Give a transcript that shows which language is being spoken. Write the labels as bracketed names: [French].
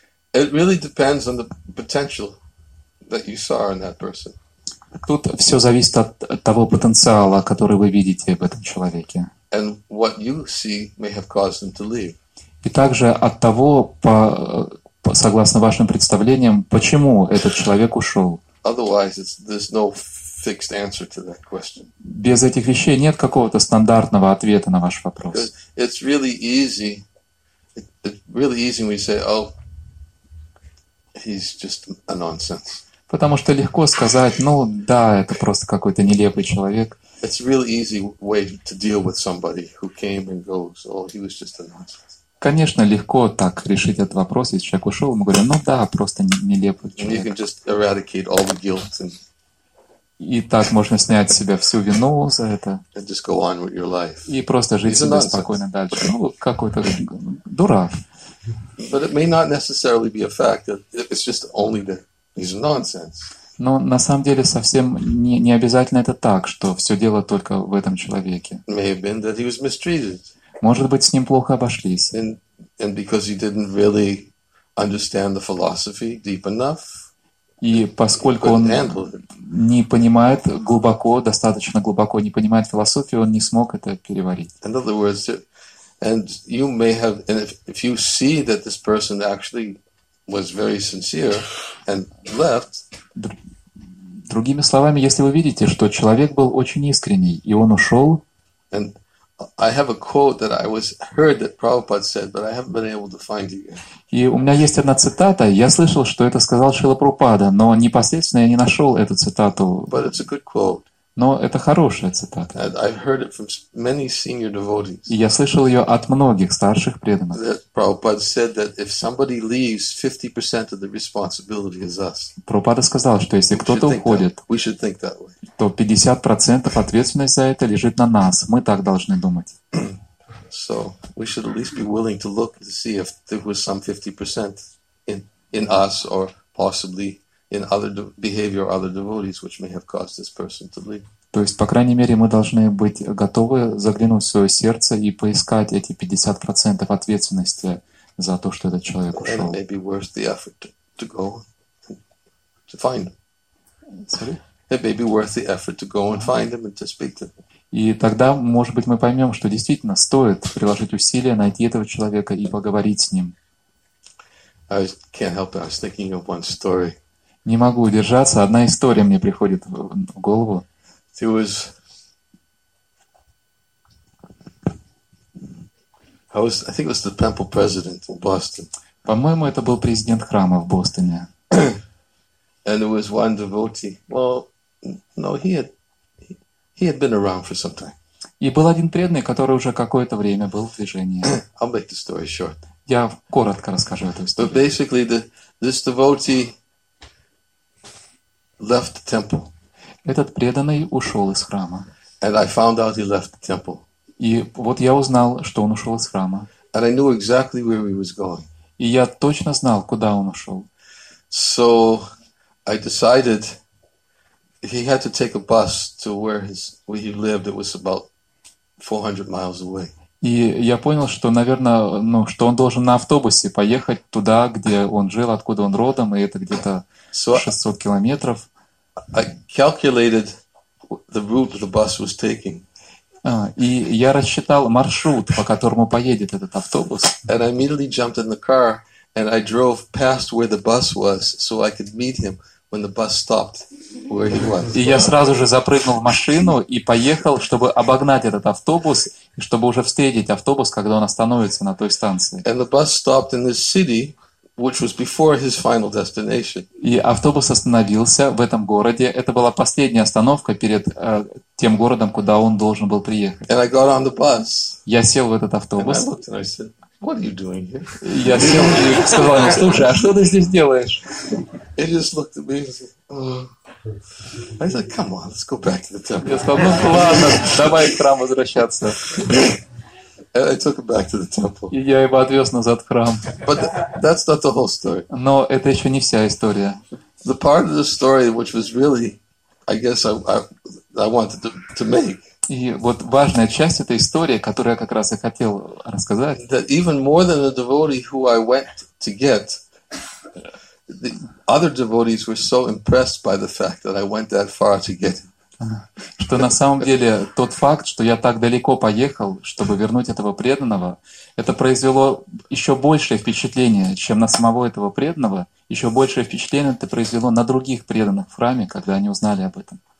[English] It really depends on the potential that you saw in that person. [Russian] Тут все зависит от того потенциала, который вы видите в этом человеке. [English] And what you see may have caused him to leave. [Russian] И также от того, согласно вашим представлениям, почему этот человек ушел. [English] Otherwise, there's no fixed answer to that question. [Russian] Без этих вещей нет какого-то стандартного ответа на ваш вопрос. [English] Because it's really easy. It's really easy when you say, "Oh, he's just a nonsense." [Russian] Потому что легко сказать, ну да, это просто какой-то нелепый человек. [English] It's really easy way to deal with somebody who came and goes. Oh, he was just a nonsense. [Russian] Конечно, легко так решить этот вопрос, если человек ушел, мы говорим, ну да, просто нелепый человек. [English] You can just eradicate all the guilt and... [Russian] И так можно снять с себя всю вину за это. [English] And just go on with your life. [Russian] И просто жить себе спокойно дальше. Ну, какой-то дурак. [English] But it may not necessarily be a fact. It's just only the... He's nonsense. [Russian] Но на самом деле совсем не обязательно это так, что все дело только в этом человеке. [English] May have been that he was mistreated. [Russian] Может быть, с ним плохо обошлись. [English] And because he didn't really understand the philosophy deep enough. [Russian] И поскольку он не понимает глубоко, достаточно глубоко не понимает философию, он не смог это переварить. [English] In other words, and you may have, and if you see that this person actually was very sincere and left. [Russian] Другими словами, если вы видите, что человек был очень искренний и он ушел. [English] And I have a quote that I was heard that Prabhupada said, but I haven't been able to find it yet. [Russian] И у меня есть одна цитата. Я слышал, что это сказал Шрила Прабхупада, но непосредственно я не нашел эту цитату. [English] But it's a good quote. [Russian] Но это хорошая цитата. [English] And I've heard it from many senior devotees. [Russian] И я слышал ее от многих старших преданных. [English] That Prabhupada said that if somebody leaves, 50% of the responsibility is us. [Russian] Прабхупада сказал, что если кто-то уходит, [English] we should think that way. [Russian] То 50% ответственность за это лежит на нас. Мы так должны думать. [English] So we should at least be willing to look to see if there was some 50% in us or possibly in other behavior other devotees which may have caused this person to leave. [Russian] То есть, по крайней мере, мы должны быть готовы заглянуть в свое сердце и поискать эти 50% ответственности за то, что этот человек ушел. [English] And it may be worth the effort to go to find him. Sorry? It may be worth the effort to go and find him and to speak to him. [Russian] И тогда, может быть, мы поймем, что действительно стоит приложить усилия найти этого человека и поговорить с ним. [English] I can't help it. I was thinking of one story. [Russian] Не могу удержаться. Одна история мне приходит в голову. [English] I think it was the temple president in Boston. [Russian] По-моему, это был президент храма в Бостоне. [English] And there was one devotee. Well, no, he had been around for some time. [Russian] И был один преданный, который уже какое-то время был в движении. [English] I'll make the story short. [Russian] Я коротко расскажу эту историю. [English] But basically, this devotee left the temple. [Russian] Этот преданный ушел из храма. [English] And I found out he left the temple. [Russian] И вот я узнал, что он ушел из храма. [English] And I knew exactly where he was going. [Russian] И я точно знал, куда он ушел. [English] So I decided he had to take a bus to where he lived. It was about 400 miles away. [Russian] И я понял, что, наверное, ну, что он должен на автобусе поехать туда, где он жил, откуда он родом, и это где-то 600 километров. [English] I calculated the route the bus was taking. [Russian] И я рассчитал маршрут, по которому поедет этот автобус. [English] And I immediately jumped in the car and I drove past where the bus was so I could meet him when the bus stopped where he was. [Russian] И я сразу же запрыгнул в машину и поехал, чтобы обогнать этот автобус, чтобы уже встретить автобус, когда он остановится на той станции. [English] And the bus stopped in this city, which was before his final destination. [Russian] И автобус остановился в этом городе. Это была последняя остановка перед тем городом, куда он должен был приехать. [English] And I got on the bus. [Russian] Я сел в этот автобус. [English] And I looked and I said, "What are you doing here?" [Russian] Я сел и сказал ему: "Слушай, а что ты здесь делаешь?" [English] He just looked at me and said, "Oh." I said, "Come on, let's go back to the temple." [Russian] Я сказал: "Ну ладно, давай к храму возвращаться." [English] And I took him back to the temple. [Russian] И я его отвез назад в храм. [English] But that's not the whole story. [Russian] Но это еще не вся история. [English] The part of the story which was really, I guess, I wanted to make. [Russian] И вот важная часть этой истории, которую я как раз и хотел рассказать. [English] That even more than the devotee who I went to get, the other devotees were so impressed by the fact that I went that far to get him. [Russian] что на самом деле тот факт, что я так далеко поехал, чтобы вернуть этого преданного, это произвело еще большее впечатление, чем на самого этого преданного. Еще большее впечатление это произвело на других преданных в храме, когда они узнали об этом.